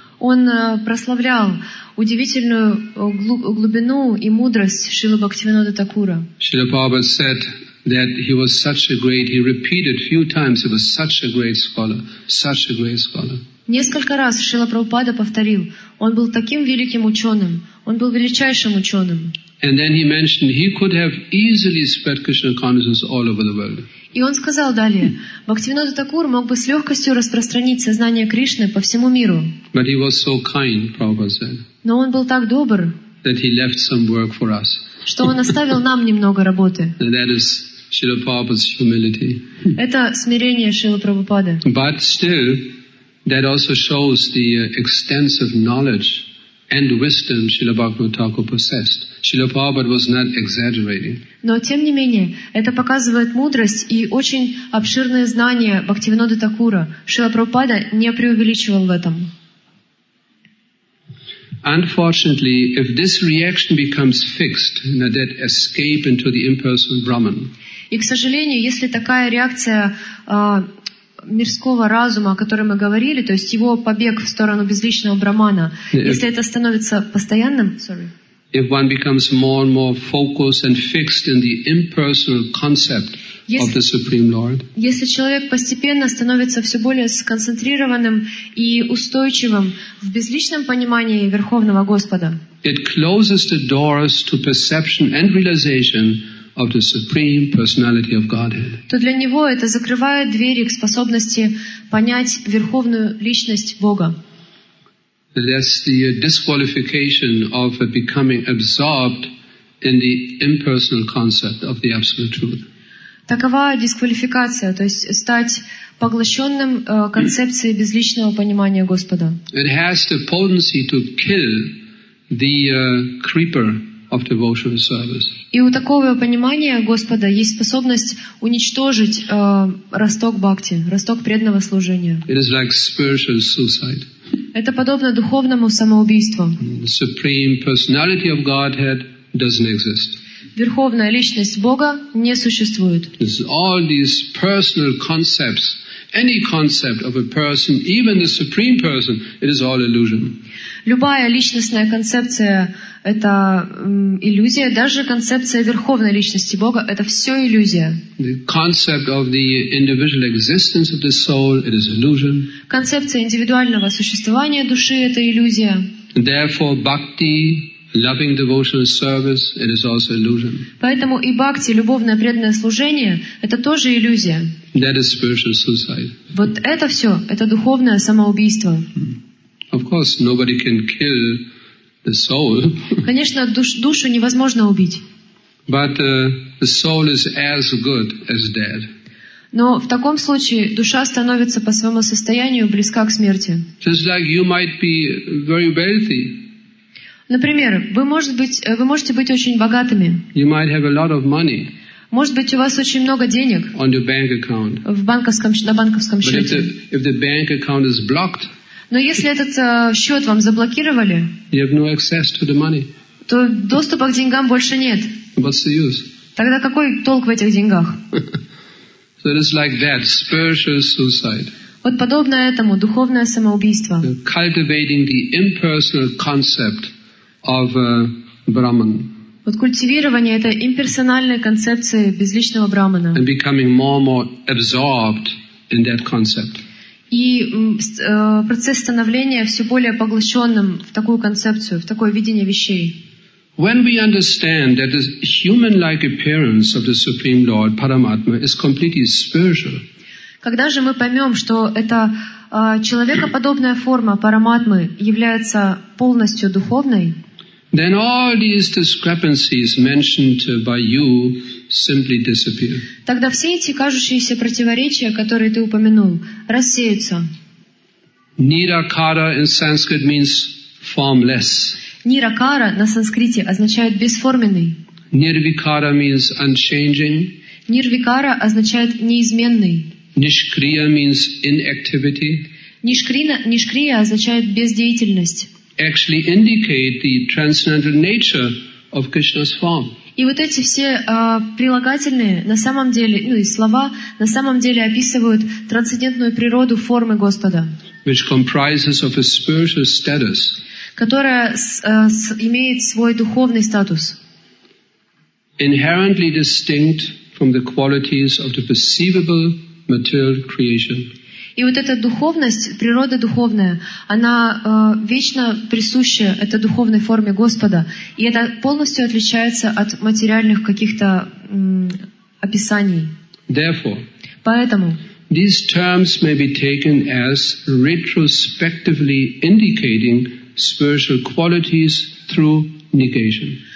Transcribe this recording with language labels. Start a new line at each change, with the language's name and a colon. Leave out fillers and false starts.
Russian: Он прославлял удивительную глубину и мудрость Шрилы Бхактивинода Такура.
English: Шрила Прабхупада said that he was such a great, he repeated few times, he was such a great scholar, such a great scholar.
Russian: Несколько раз Шрила Прабхупада повторил, он был таким великим ученым, он был величайшим ученым.
English: And then he mentioned he could have easily spread Krishna consciousness all over the world.
Russian: И он сказал далее, Бхактивинода Такур мог бы с легкостью распространить сознание Кришны по всему миру.
English: But he was so kind, Prabhupada said.
Russian: Но он был так добр,
English: that he left some work for us.
Russian: Что он оставил нам немного работы.
English: And that is Srila Prabhupada's humility.
Russian: Это смирение Шрилы Прабхупады.
English: But still, that also shows the extensive knowledge and wisdom Srila Bhaktivinoda Thakur possessed. Srila Prabhupada was not exaggerating.
Russian: Но тем не менее, это показывает мудрость и очень обширные знания Бхактивинода Такура. Шрила Прабхупада не преувеличивал в этом.
English: Unfortunately, if this reaction becomes fixed, that escape into the impersonal Brahman.
Russian: И, к сожалению, если такая реакция мирского разума, о котором мы говорили, то есть его побег в сторону безличного брахмана, если это становится постоянным,
English: if one becomes more and more focused and fixed in the impersonal concept of the Supreme Lord,
Russian: если человек постепенно становится все более сконцентрированным и устойчивым в безличном понимании Верховного Господа,
English: it closes the doors to perception and realization of the supreme personality of Godhead.
Russian: То для него это закрывает двери к способности понять верховную личность Бога.
English: Thus the disqualification of becoming absorbed in the impersonal concept of the absolute truth.
Russian: Такова дисквалификация, то есть стать поглощенным концепцией безличного понимания Господа.
English: It has the potency to kill the creeper of devotional service.
Russian: И у такого понимания Господа есть способность уничтожить росток бхакти, росток преданного служения.
English: It is like spiritual suicide.
Russian: Это подобно духовному самоубийству.
English: The supreme personality of Godhead doesn't exist.
Russian: Верховная личность Бога не существует.
English: All these personal concepts, any concept of a person, even the supreme person, it is all illusion.
Russian: Любая личностная концепция это иллюзия, даже концепция верховной личности Бога это все иллюзия.
English: The concept of the individual existence of the soul, it is illusion.
Russian: Концепция индивидуального существования души это иллюзия.
English: Therefore bhakti, loving devotional service, it is also illusion.
Russian: Поэтому и бхакти, любовное преданное служение, это тоже иллюзия.
English: That is spiritual suicide.
Russian: Вот это все, это духовное самоубийство.
English: Of course, nobody can kill the soul.
Russian: Конечно, душу невозможно убить.
English: But the soul is as good as dead.
Russian: Но в таком случае душа становится по своему состоянию близка к смерти.
English: Just like you might be very wealthy.
Russian: Например, вы можете быть очень богатыми.
English: You might have a lot of money.
Russian: Может быть, у вас очень много денег
English: on your bank account.
Russian: На банковском счете.
English: But if the bank account is blocked,
Russian: но если этот счет вам заблокировали,
English: you have no access to the money.
Russian: То доступа к деньгам больше нет.
English: What's the use?
Russian: Тогда какой толк в этих деньгах?
English: So it's like that, spiritual suicide.
Russian: Вот подобно этому, духовное самоубийство.
English: Cultivating the impersonal concept of Brahman.
Russian: Вот культивирование этой имперсональной концепции безличного Брахмана.
English: And becoming more and more absorbed in that concept.
Russian: И процесс становления все более поглощенным в такую концепцию, в такое видение вещей.
English: When we understand that the human-like appearance of the Supreme Lord Paramatma is completely spiritual.
Russian: Когда же мы поймем, что это человекоподобная форма Параматмы является полностью духовной?
English: Then all these discrepancies mentioned by you simply disappear.
Russian: Тогда все эти кажущиеся противоречия, которые ты упомянул, рассеются.
English: Nirakara in Sanskrit means formless.
Russian: Nirakara на санскрите означает бесформенный.
English: Nirvikara means unchanging.
Russian: Nirvikara означает неизменный.
English: Nishkriya means inactivity.
Russian: Nishkriya означает бездеятельность.
English: Actually indicate the transcendental nature of Krishna's form.
Russian: И вот эти все прилагательные на самом деле, ну и слова на самом деле описывают трансцендентную природу формы Господа.
English: Which comprises of a spiritual status.
Russian: Которая имеет свой духовный статус.
English: Inherently distinct from the qualities of the perceivable material creation.
Russian: И вот эта духовность, природа духовная, она вечно присуща этой духовной форме Господа. И это полностью отличается от материальных каких-то описаний.
English: Therefore,
Russian: поэтому
English: these terms may be taken as retrospectively indicating spiritual qualities through negation.